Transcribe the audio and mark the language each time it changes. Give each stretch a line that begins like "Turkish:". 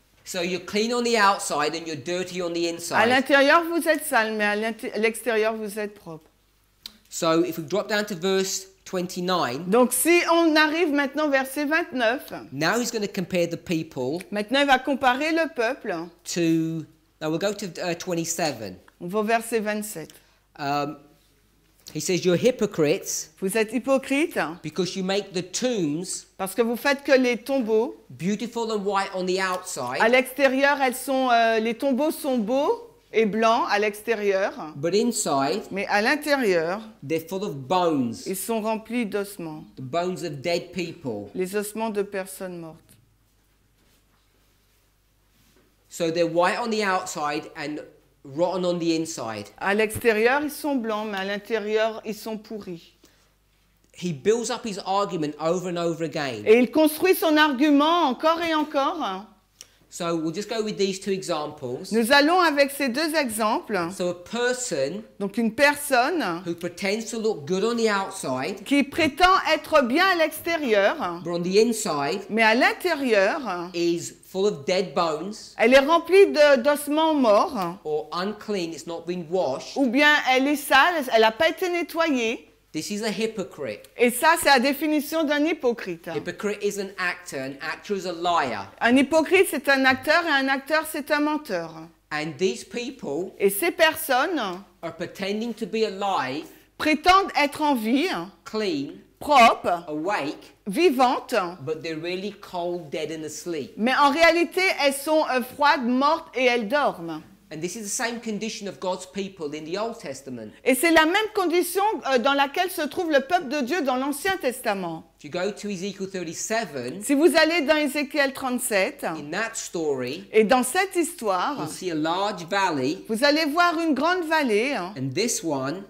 English: So you're clean on the outside and you're dirty on the inside.
French: À l'intérieur, vous êtes sale, mais à l'extérieur, vous êtes propre.
English: So if we drop down to verse 29.
French: Donc si on arrive maintenant verset 29.
English: Now he's going to compare the people.
French: Maintenant, il va comparer le peuple.
English: To, now we'll go to 27.
French: On va au verset 27.
English: He says, you're hypocrites.
French: Vous êtes hypocrites.
English: Because you make the tombs.
French: Parce que vous faites que les tombeaux.
English: Beautiful and white on the outside.
French: À l'extérieur, elles sont, les tombeaux sont beaux et blancs à l'extérieur.
English: But inside.
French: Mais à l'intérieur.
English: They're full of bones.
French: Ils sont remplis d'ossements.
English: The bones of dead people.
French: Les ossements de personnes mortes.
English: So they're white on the outside and rotten on the inside.
French: À l'extérieur, ils sont blancs, mais à l'intérieur, ils sont pourris.
English: He builds up his argument over and over again.
French: Et il construit son argument encore et encore.
English: So we'll just go with these two examples.
French: Nous allons avec ces deux exemples.
English: So a person,
French: donc une personne,
English: who pretends to look good on the outside,
French: qui prétend être bien à l'extérieur,
English: but on the inside,
French: mais à l'intérieur,
English: is full of dead bones,
French: elle est remplie d'ossements morts,
English: or unclean, it's not been washed,
French: ou bien elle est sale, elle n'a pas été nettoyée.
English: This is a hypocrite.
French: Et ça, c'est la définition d'un hypocrite.
English: Hypocrite is an actor, an actor is a liar.
French: Un hypocrite, c'est un acteur, et un acteur, c'est un menteur.
English: And these people,
French: et ces personnes,
English: are pretending to be alive,
French: prétendent être en vie,
English: clean,
French: propre,
English: awake,
French: vivante,
English: but they're really cold, dead and asleep.
French: Mais en réalité, elles sont froides, mortes et elles dorment.
English: And this is the same condition of God's people in the Old Testament.
French: Et c'est la même condition dans laquelle se trouve le peuple de Dieu dans l'Ancien Testament.
English: If you go to Ezekiel 37,
French: si vous allez dans Ézéchiel 37,
English: in that story,
French: et dans cette histoire,
English: you'll see a large valley,
French: vous allez voir une grande vallée,
English: and this one,